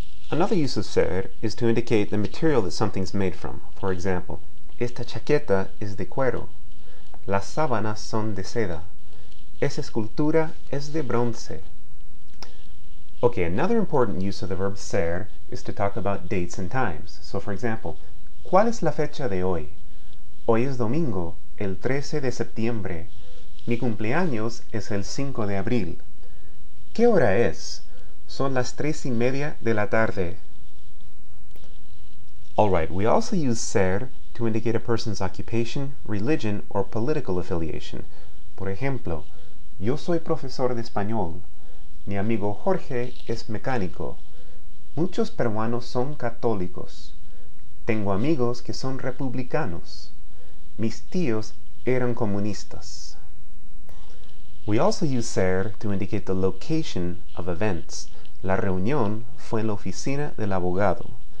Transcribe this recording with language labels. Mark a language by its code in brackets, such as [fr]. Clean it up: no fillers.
[en] Another use of ser is to indicate the material that something's made from. For example, [es] esta chaqueta es de cuero. Las sábanas son de seda. Esa escultura es de bronce. [en] Okay, another important use of the verb ser is to talk about dates and times. So for example, [es] ¿cuál es la fecha de hoy? Hoy es domingo, el 13 de septiembre. Mi cumpleaños es el 5 de abril. ¿Qué hora es? Son las 3:30 de la tarde. [en] All right, we also use ser to indicate a person's occupation, religion, or political affiliation. [es] Por ejemplo, yo soy profesor de español. Mi amigo Jorge es mecánico. Muchos peruanos son católicos. Tengo amigos que son republicanos. Mis tíos eran comunistas. [en] We also use ser to indicate the location of events. [es] La reunión fue en la oficina del abogado.